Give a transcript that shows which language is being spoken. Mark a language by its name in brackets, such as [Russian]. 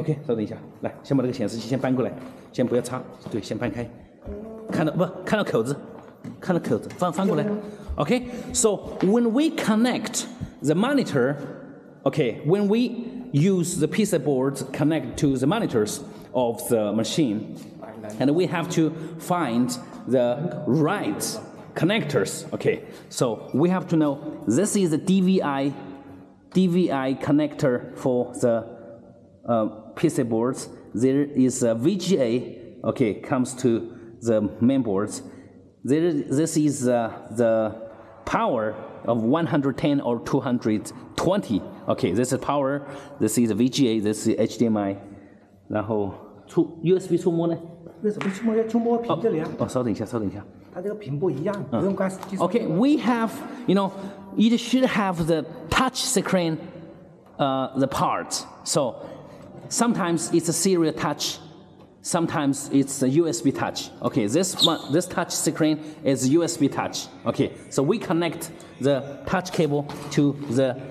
[Chinese] OK, 稍等一下，来，先把这个显示器先搬过来，先不要插，对，先搬开。看到口子，翻过来。 [English] OK, so when we connect the monitor, OK, when we use the PC boards connect to the monitors of the machine, and we have to find the right connectors. Okay, so we have to know this is a DVI connector for the PC boards. There is a VGA, okay, comes to the main boards. This is the power of 110 or 220. Okay, this is power, this is VGA, this is HDMI. [Chinese] 然后 USB 触摸呢？为什么触摸要触摸屏这里啊？稍等一下。它这个屏不一样，不用关。 [English] Okay, we have, you know, it should have the touch screen, the part. So sometimes it's a serial touch, sometimes it's a USB touch. Okay, this touch screen is USB touch. Okay, so we connect the touch cable to the...